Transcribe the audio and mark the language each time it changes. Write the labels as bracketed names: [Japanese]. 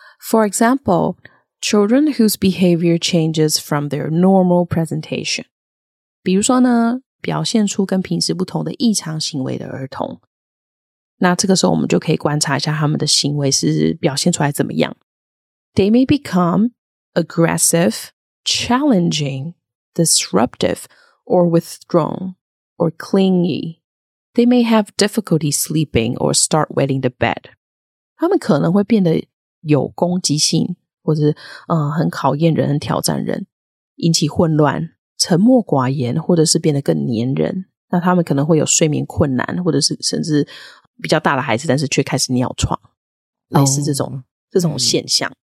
[English] For example, children whose behavior changes from their normal presentation. [Chinese] 比如说呢，表现出跟平时不同的异常行为的儿童。那这个时候我们就可以观察一下他们的行为是表现出来怎么样。 [English] They may become aggressive, challenging, disruptive, or withdrawn, or clingy. They may have difficulty sleeping or start wetting the bed. [Chinese] 他们可能会变得有攻击性，或者很考验人、很挑战人，引起混乱，沉默寡言，或者是变得更黏人。那他们可能会有睡眠困难，或者是甚至比较大的孩子但是却开始尿床，类似这种这种现象。